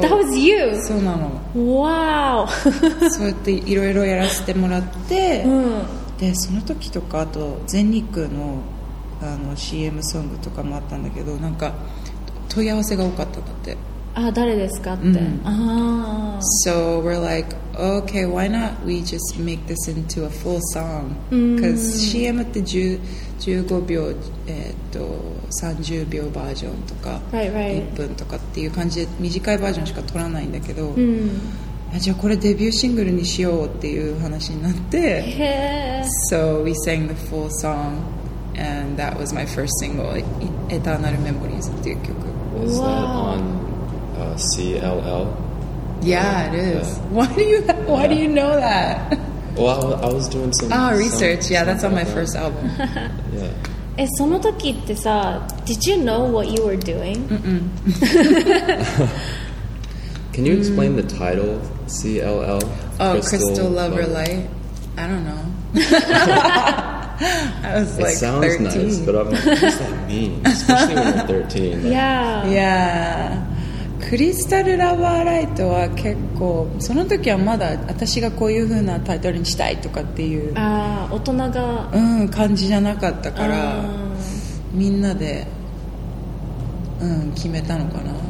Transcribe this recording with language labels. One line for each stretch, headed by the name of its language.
English: That was you?
Japanese: そうなの。
English: Wow!
Japanese: そうやっていろいろやらせてもらって、うん、で、その時とか、あと全日空の、 あの CM ソングとかもあったんだけど、なんか問い合わせが多かったんだって。あ、誰ですかって。うん、ああ。
English: So we're like,Okay, why not we just make this into a full song? Because
Japanese: CM って15秒、30秒バージョンとか、
English: right, right.
Japanese: 1分とかっていう感じで短いバージョンしか撮らないんだけど、 mm. あ、じゃあこれデビューシングルにしようっていう話になって、
English: yeah. So we sang the full song and that was my first single, Eternal Memories
Japanese: っていう曲。
English: Is that on、CLL? Yeah, it is. Yeah. Why do you know that? Well, I was doing some... Oh, research. Some, yeah, that's on my first album. yeah.
Japanese: その時ってさ、
English: did you know what you were doing? Can you explain the title, CLL? Oh, Crystal Lover Light? I don't know. I was like 13. It sounds nice, but I'm like, what does that mean? Especially when you're 13. Like, yeah. Yeah.
Japanese: クリスタルラバーライトは結構その時はまだ私がこういう風なタイトルにしたいとかっていう、あ、大人が、うん、感じじゃなかったから、みんなで、うん、決めたのかな。